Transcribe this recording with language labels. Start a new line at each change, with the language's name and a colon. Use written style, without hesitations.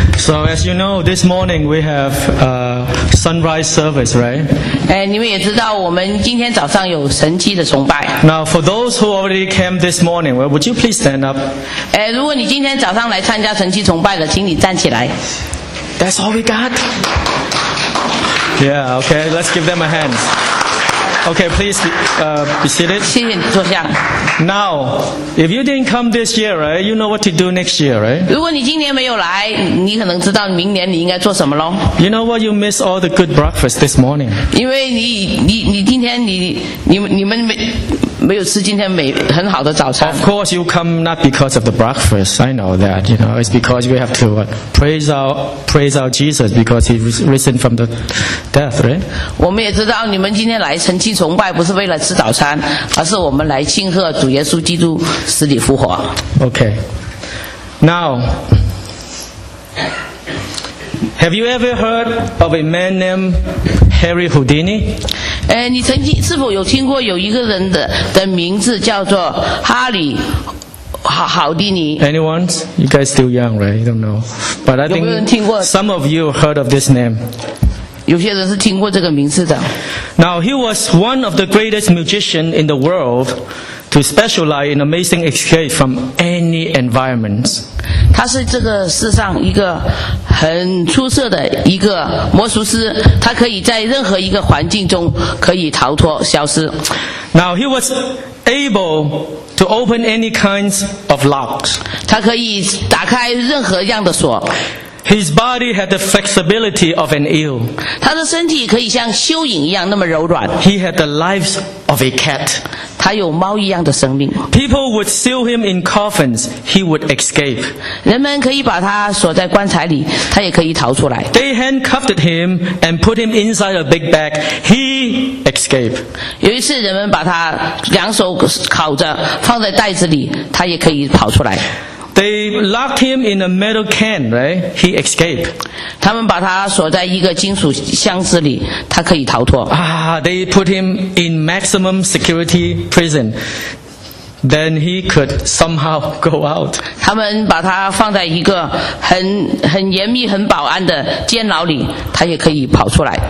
English: So as you know, this morning we have sunrise service, right?
Chinese: 你们也知道我们今天早上有神迹的崇拜。
English: Now for those who already came this morning, well, would you please stand up?
Chinese: 如果你今天早上来参加神迹崇拜的，请你站起来。
English: That's all we got? Yeah, okay, let's give them a hand. Okay, please be seated.
Chinese: 谢谢你坐下。
English: Now, if you didn't come this year, right, you know what to do next year, right?
Chinese: 如果你今年没有来，你可能知道明年你应该做什么咯。
English: You know what, you miss all the good breakfast this morning.
Chinese: 因为你今天你们没有吃今天很好的早餐。
English: Of course, you come not because of the breakfast. I know that. You know, it's because we have to praise our Jesus because He was risen from the death, right?
Chinese: 我们也知道你们今天来神迹崇拜不是为了吃早餐，而是我们来庆贺主耶稣基督死里复活。
English: Okay. Now, have you ever heard of a man named Harry Houdini?
Chinese: 你曾经是否有听过有一个人 的名字叫做哈里好迪尼
English: ？Anyone? You guys still young, right? You don't know. But I think
Chinese: 有没有人听过
English: some of you heard of this name.
Chinese: 有些人是听过这个名字的。
English: Now he was one of the greatest musicians in the world to specialize in amazing escape from any environment.
Chinese: 他是这个世上一个。很出色的一个魔术师，他可以在任何一个环境中可以逃脱消失。
English: Now he was able to open any kinds of locks.
Chinese: 他可以打开任何样的锁。
English: His body had the flexibility of an eel.
Chinese: 他的身体可以像蚯蚓一样那么柔软。
English: He had the lives of a cat.
Chinese: 他有猫一样的生命。
English: People would seal him in coffins. He would escape.
Chinese: 人们可以把他锁在棺材里，他也可以逃出来。
English: They handcuffed him and put him inside a big bag. He escaped.
Chinese: 有一次人们把他两手铐着，放在袋子里，他也可以跑出来。
English: They locked him in a metal can, right? He escaped.
Chinese: 他们把他锁在一个金属箱子里，他可以逃脱。
English: They put him in maximum security prison. Then he could somehow go out.
Chinese: 他们把他放在一个很严密、很保安的监牢里，他也可以跑出来。